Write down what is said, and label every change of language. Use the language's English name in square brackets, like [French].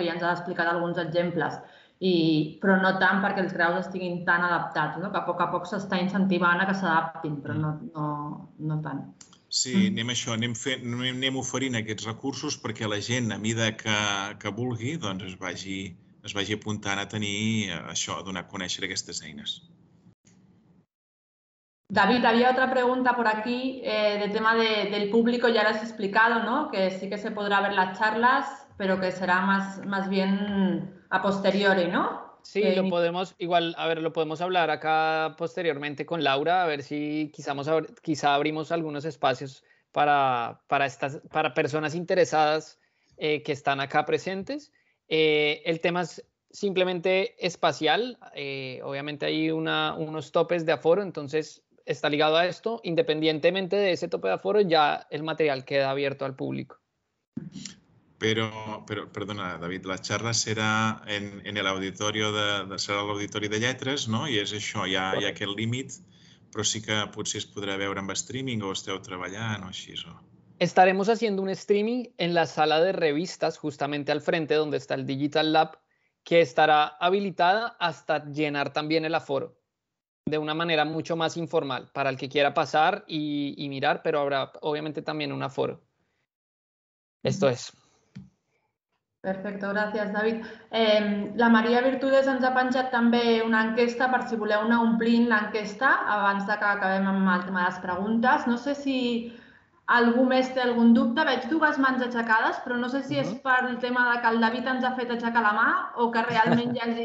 [Catalan] Que ja ens ha explicat alguns exemples. Però no tant perquè els graus estiguin tan adaptats, no? Que a poc s'està incentivant a que s'adaptin, però no tant. Sí, anem oferint aquests recursos perquè la gent, a mida que vulgui, doncs es vagi apuntant a tenir això, a donar a conèixer aquestes eines. [Spanish] David, había otra pregunta por aquí de tema del público, ya lo has explicado, ¿no? Que sí que se podrá ver las charlas, pero que será más bien a posteriori, ¿no? Sí, lo podemos igual, a ver, lo podemos hablar acá posteriormente con Laura, a ver si quizá abrimos algunos espacios para personas interesadas que están acá presentes. El tema es simplemente espacial, obviamente hay unos topes de aforo, entonces está ligado a esto, independientemente de ese tope de aforo, ya el material queda abierto al público. Pero perdona, David, la charla será en el auditorio será el auditorio de lletres, ¿no? [Catalan] Y es això, hi ha aquest límit, però sí que potser es podrà veure amb streaming o esteu treballant o així. O... [Spanish] Estaremos haciendo un streaming en la sala de revistas, justamente al frente, donde está el Digital Lab, que estará habilitada hasta llenar también el aforo, de una manera mucho más informal, para el que quiera pasar y mirar, pero habrá obviamente también un aforo. Esto es. [Catalan] Perfecte, gràcies, David. La Maria Virtudes ens ha penjat també una enquesta, per si voleu anar omplint l'enquesta abans que acabem amb el tema de les preguntes. No sé si algú més té algun dubte. Veig dues mans aixecades, però no sé si és per el tema de que el David ens ha fet aixecar la mà o que realment ja els hi